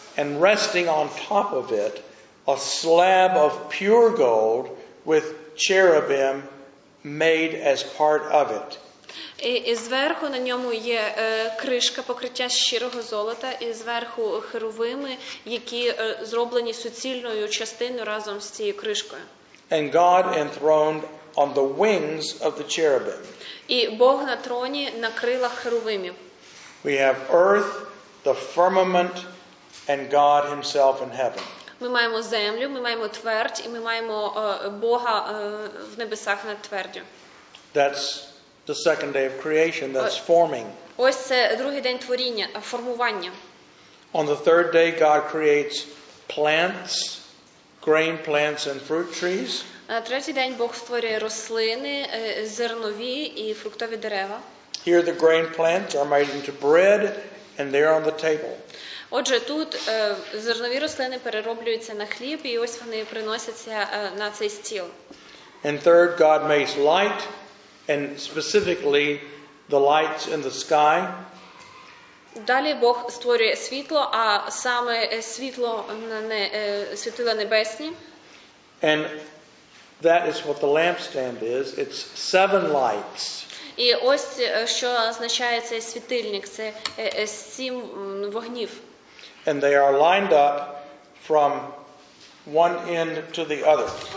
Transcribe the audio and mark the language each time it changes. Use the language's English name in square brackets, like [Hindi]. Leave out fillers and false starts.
[English] And resting on top of it, a slab of pure gold with cherubim made as part of it. [Ukrainian] І зверху на ньому є кришка, покриття щирого золота, і зверху херовими, які зроблені суцільною частиною разом з цією кришкою. [English] And God enthroned on the wings of the cherubim. [Ukrainian] І Бог на троні на крилах херовимів. [English] We have earth, the firmament, and God himself in heaven. [Ukrainian] Ми маємо землю, ми маємо твердь, і ми маємо Бога в небесах над твердю. [English] That's the second day of creation, that's forming. [Ukrainian] Ось це другий день творіння, формування. [English] On the third day, God creates plants, grain plants and fruit trees. [Ukrainian] На третій день Бог створює рослини, зернові і фруктові дерева. [English] Here the grain plants are made into bread, and they're on the table. [Ukrainian] Отже, тут зернові рослини перероблюються на хліб, і ось вони приносяться на цей стіл. [English] And third, God makes light, and specifically the lights in the sky. [Ukrainian] Далі Бог створює світло, а саме світло світила небесні. [English] And that is what the lampstand is. It's seven lights. [Ukrainian] І ось що означає цей світильник, це сім вогнів. [English] And they are lined up from one end to the other.